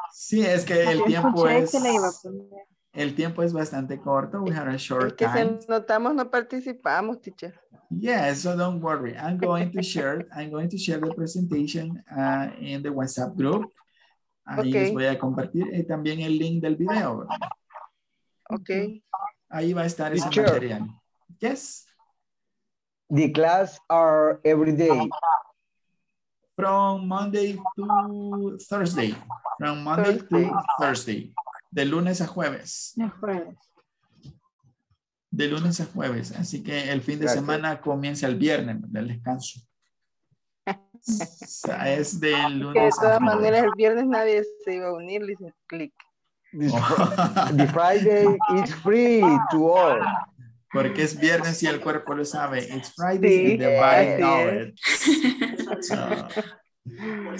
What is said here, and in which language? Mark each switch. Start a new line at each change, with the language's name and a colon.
Spanish: Sí, es que el tiempo es bastante corto.
English: We have a short time.
Spanish: Si notamos, no participamos, teacher.
English: Yeah, so don't worry. I'm going to share the presentation in the WhatsApp group.
Spanish: Ahí les voy a compartir también el link del video.
English: Ok.
Spanish: Ahí va a estar ese material. Yes.
English: The class are every day. From Monday to Thursday. From Monday Thursday. To Thursday.
Spanish: De lunes a jueves. De lunes a jueves. Así que el fin de semana comienza el viernes del descanso. Es de lunes. De todas maneras, el viernes nadie se iba a unir. Le hice clic.
English: The Friday is free to all.
Spanish: Porque es viernes y el cuerpo lo sabe.
English: It's Friday, sí, and the body knows it.